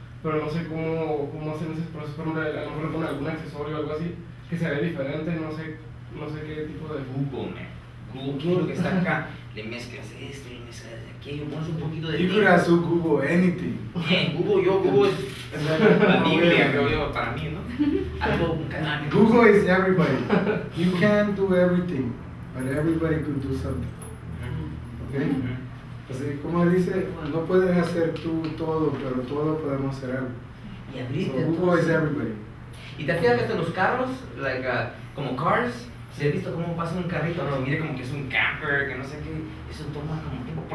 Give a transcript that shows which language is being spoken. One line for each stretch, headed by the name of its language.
Spanish: Pero no sé cómo hacen ese proceso, por ejemplo, a lo mejor con algún accesorio o algo así, que se ve diferente, no sé qué tipo de... Google, lo que está acá, le mezclas esto, le mezclas aquello, pones un poquito de... Yo creo que es Google anything. Google, Google es la Biblia, creo yo, para mí, ¿no? Algo, un canal.
English: Google is everybody. You can't do everything, but everybody could do something. ¿Ok?
Spanish: Así como dice, no puedes hacer tú todo, pero todo podemos hacer algo. Y abrirte.
English: So, Google is everybody.
Spanish: Y te fijas que hasta los carros, como cars, se ha visto cómo pasa un carrito, no, mire como que es un camper, que no sé qué, eso toma como tiempo.